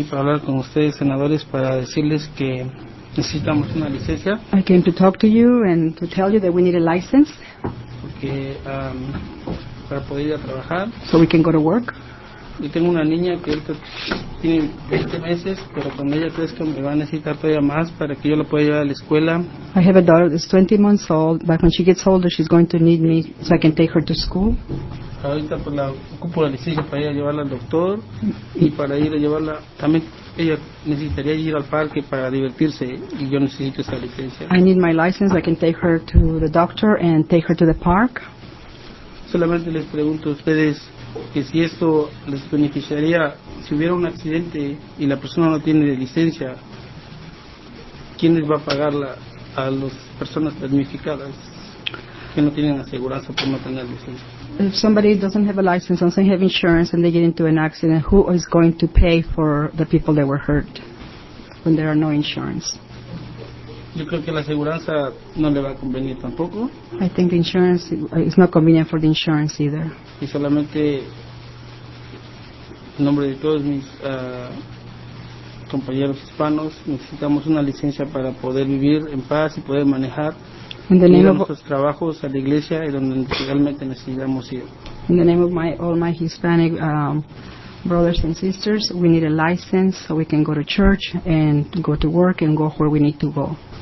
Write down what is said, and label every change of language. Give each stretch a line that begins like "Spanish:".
Spanish: Y para hablar con ustedes, senadores, para decirles que necesitamos una licencia.
English: I came to talk to you and to tell you that we need a license.
Spanish: Porque para poder ir a trabajar.
English: So we can go to work.
Spanish: Y tengo una niña que tiene 20 meses, pero cuando ella crezca me va a necesitar todavía más para que yo la pueda llevar a la escuela.
English: I have a daughter that's 20 months old, but when she gets older, she's going to need me so I can take her to school.
Spanish: Ahorita pues la ocupo la licencia para ir a llevarla al doctor y para ir a llevarla también. Ella necesitaría ir al parque para divertirse y yo necesito esa licencia.
English: I need my license. I can take her to the doctor and take her to the park.
Spanish: Solamente les pregunto a ustedes que si esto les beneficiaría, si hubiera un accidente y la persona no tiene licencia, ¿quién les va a pagar a las personas damnificadas que no tienen aseguranza por no tener licencia?
English: If somebody doesn't have a license and they have insurance and they get into an accident, who is going to pay for the people that were hurt when there are no insurance?
Spanish: Yo creo que la aseguranza no le va a convenir tampoco.
English: I think the insurance is not convenient for the insurance either.
Spanish: Y solamente en nombre de todos mis compañeros hispanos necesitamos una licencia para poder vivir en paz y poder manejar nuestros trabajos a la iglesia y donde realmente necesitamos ir.
English: In the name of all my Hispanic brothers and sisters, we need a license so we can go to church and go to work and go where we need to go.